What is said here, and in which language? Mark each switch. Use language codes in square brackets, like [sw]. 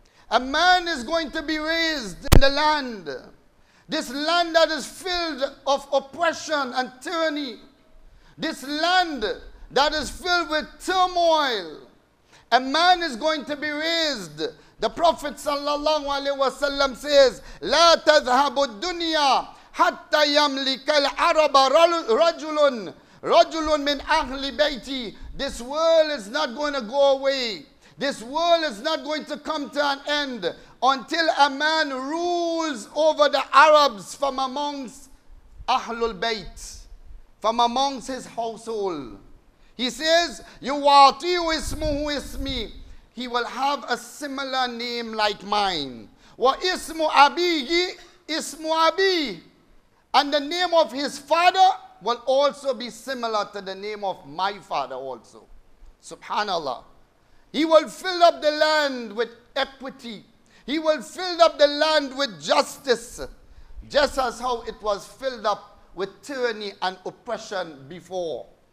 [en] A man is going to be raised in the land. This land that is filled of oppression and tyranny. This land that is filled with turmoil. A man is going to be raised. The Prophet sallallahu alaihi wasallam says, [ar] لا تذهب الدنيا حتى يملك العرب رجلٌ رجلٌ من أهل بيتي. [en] This world is not going to go away. This world is not going to come to an end until a man rules over the Arabs from amongst Ahlul Bayt, from amongst his household. He says, [ar] يُوَاطِيُ إِسْمُهُ إِسْمِي. [en] He will have a similar name like mine. [ar] وَإِسْمُ أَبِيهِ إِسْمُ أَبِي. [en] And the name of his father will also be similar to the name of my father also. Subhanallah. He will fill up the land with equity. He will fill up the land with justice, just as how it was filled up with tyranny and oppression before.